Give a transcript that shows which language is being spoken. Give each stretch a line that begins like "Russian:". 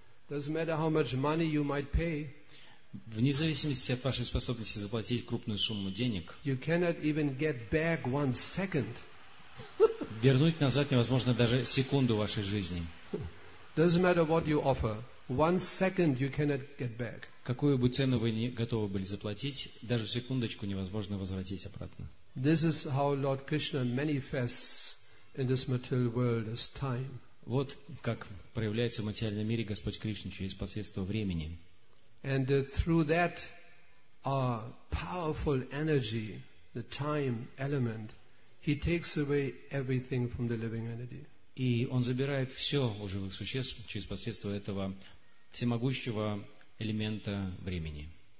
English: Doesn't matter how much money you might pay.
Russian: Вне зависимости от вашей способности заплатить крупную сумму денег.
English: You cannot even get back one second.
Russian: Вернуть назад невозможно даже секунду вашей жизни.
English: Doesn't matter what you offer. One second you cannot get back.
Russian: Какую бы цену вы не готовы были заплатить, даже секундочку невозможно возвратить обратно.
English: This is how Lord Krishna manifests in this material world as time.
Russian: Вот как проявляется в материальном мире Господь Кришна через посредство времени.
English: And through that powerful energy, the time element, he takes away everything from the living entity.
Russian: И он забирает все у живых существ через посредство этого всемогущего элемента времени.